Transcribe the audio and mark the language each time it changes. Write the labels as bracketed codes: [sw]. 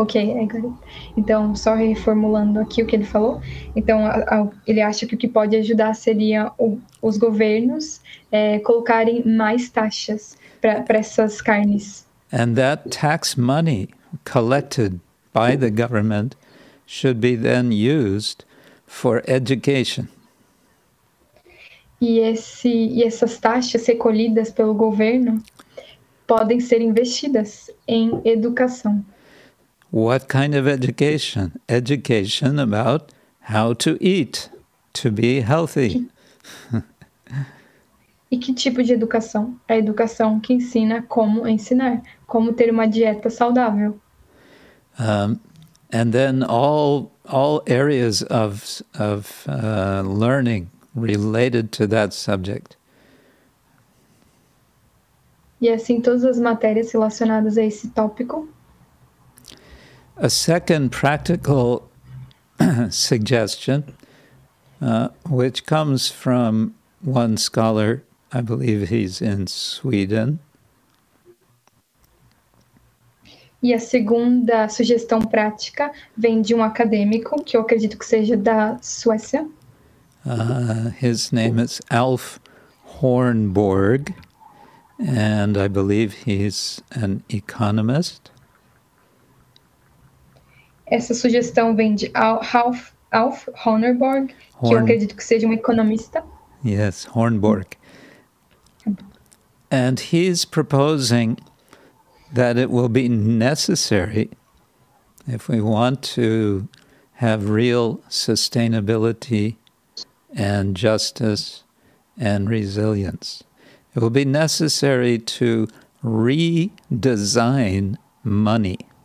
[pt] Ok, então só reformulando aqui o que ele falou. Então ele acha que o que pode ajudar seria os governos colocarem mais taxas para essas carnes. [en] And that tax money collected by the government should be then used for education. [pt] E essas taxas recolhidas pelo governo podem ser investidas em educação. [en] What kind of education? Education about how to eat to be healthy. [pt] E que tipo de educação? A educação que ensina como ensinar, como ter uma dieta saudável. [en] And then all areas of learning related to that subject. [pt] E assim todas as matérias relacionadas a esse tópico. [en] A second practical suggestion, which comes from one scholar, I believe he's in Sweden. [pt] E a segunda sugestão prática vem de um acadêmico, que eu acredito que seja da Suécia. [en] His name is Alf Hornborg, and I believe he's an economist. [pt] Essa sugestão vem de Alf Hornborg, que eu acredito que seja um economista. [en] Yes, Hornborg. And he's proposing that it will be necessary, if we want to have real sustainability and justice and resilience, it will be necessary to redesign money.